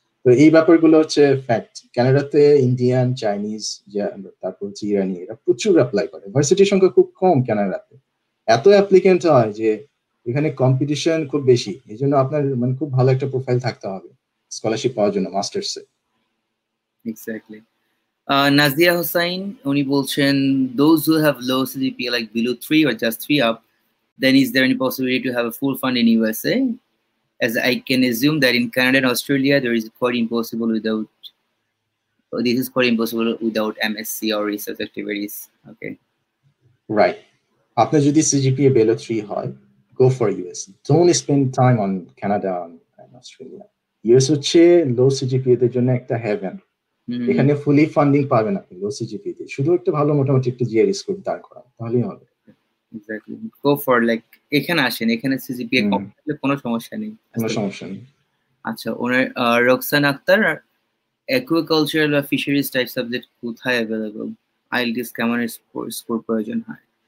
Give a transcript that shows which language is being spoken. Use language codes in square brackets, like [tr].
[bn] তো এই ব্যাপারগুলো হচ্ছে ফ্যাক্ট, ক্যানাডাতে ইন্ডিয়ান, চাইনিজ, তারপর ইরানি, এরা প্রচুর অ্যাপ্লাই করে, ভার্সিটির সংখ্যা খুব কম ক্যানাডাতে, এত অ্যাপ্লিকেন্ট হয় যে এখানে কম্পিটিশন খুব বেশি, এই জন্য আপনার মানে খুব ভালো একটা প্রোফাইল থাকতে হবে স্কলারশিপ পাওয়ার জন্য মাস্টার্সে। [en] exactly, Nazia Hossain [bn] উনি বলছেন, [en] Those who have low CGPA like below 3 or just 3 up, then is there any possibility to have a full fund in USA? As I can assume that in Canada and Australia, there is quite impossible without, this is quite impossible without MSc or research activities, okay? Right. After you did CGPA below 3, go for US. Don't spend time on Canada and Australia. [bn] US হচ্ছে লো CGPA এর জন্য একটা haven এখানে ফুলি funding পাবেন আপনি লো CGPA তে শুধু একটু ভালো মোটামুটি একটু জিআর স্কোর দাঁড় করা তাহলেই হবে [en] exactly go for like [bn] এখানে আসেন এখানে সিজিপিএ কমপ্লিট কোনো সমস্যা নেই কোনো সমস্যা নেই আচ্ছা ওনার রক্সান আক্তার একুয়াকালচারাল বা ফিশারিজ টাইপ সাবজেক্ট কোথায় अवेलेबल আইএলটিএস কেমন স্কোর প্রয়োজন হয়